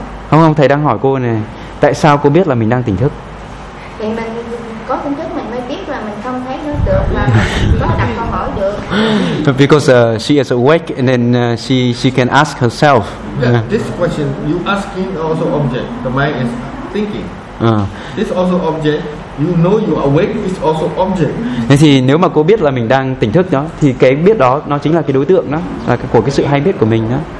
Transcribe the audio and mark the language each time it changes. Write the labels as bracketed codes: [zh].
[vi] Không, thầy đang hỏi cô này, tại sao cô biết là mình đang tỉnh thức? Thì mình có tỉnh thức mình mới biết là mình không thấy nó được, mà có đặt câu hỏi được. [en] Because she is awake and then she can ask herself. Yeah, this question you asking also object, the mind is thinking. This also object, you know you awake is also object. [vi] Thế thì nếu mà cô biết là mình đang tỉnh thức đó thì cái biết đó nó chính là cái đối tượng đó, là của cái sự hay biết của mình đó.